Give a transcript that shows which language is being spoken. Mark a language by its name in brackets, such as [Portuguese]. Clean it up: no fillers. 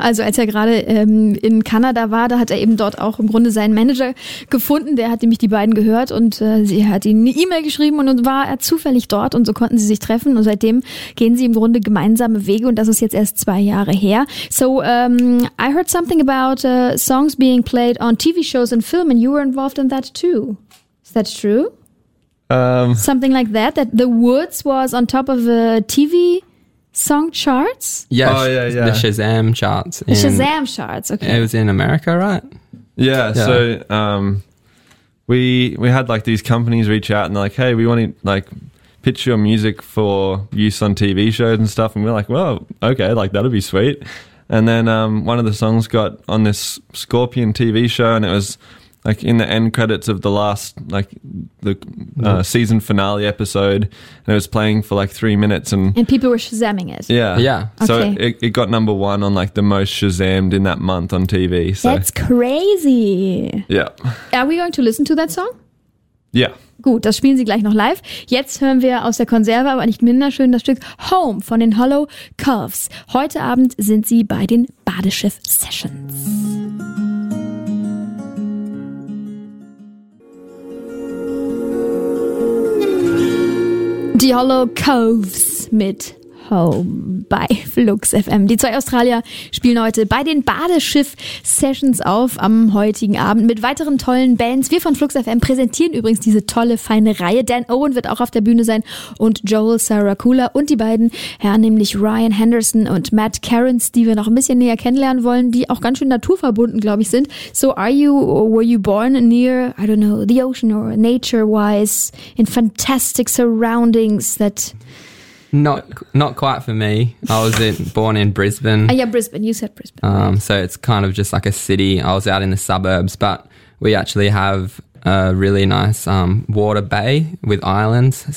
[German] Also als er gerade in Kanada war, da hat er eben dort auch im Grunde seinen Manager gefunden. Der hat nämlich die beiden gehört und sie hat ihnen eine E-Mail geschrieben und war er zufällig dort und so konnten sie sich treffen und seitdem gehen sie im Grunde gemeinsame Wege und das ist jetzt erst 2 Jahre her. [English] So, I heard something about songs being played on TV shows and film and you were involved in that too. Is that true? Something like that The Woods was on top of the TV song charts? Yeah, oh, yeah, yeah. The Shazam charts. The Shazam charts, okay. It was in America, right? Yeah, yeah. So we had like these companies reach out and they're like, hey, we want to like pitch your music for use on TV shows and stuff. And we're like, well, okay, like that'd be sweet. And then one of the songs got on this Scorpion TV show and it was like in the end credits of the last, like the season finale episode, and it was playing for like 3 minutes. And people were Shazamming it. Yeah. Yeah. Okay. So it got number one on like the most Shazammed in that month on TV. So. That's crazy. Yeah. Are we going to listen to that song? Yeah. [German] Gut, das spielen sie gleich noch live. Jetzt hören wir aus der Konserve, aber nicht minder schön, das Stück Home von den Holocuffs. Heute Abend sind sie bei den Badeschiff Sessions. Die Holocuffs mit Home bei Flux FM. Die zwei Australier spielen heute bei den Badeschiff-Sessions auf am heutigen Abend mit weiteren tollen Bands. Wir von Flux FM präsentieren übrigens diese tolle, feine Reihe. Dan Owen wird auch auf der Bühne sein und Joel Saracula und die beiden Herren, nämlich Ryan Henderson und Matt Cairns, die wir noch ein bisschen näher kennenlernen wollen, die auch ganz schön naturverbunden, glaube ich, sind. [English] So are you or were you born near, I don't know, the ocean or nature-wise in fantastic surroundings that... Not quite for me. I was born in Brisbane. Oh, yeah, Brisbane. You said Brisbane. So it's kind of just like a city. I was out in the suburbs, but we actually have a really nice water bay with islands.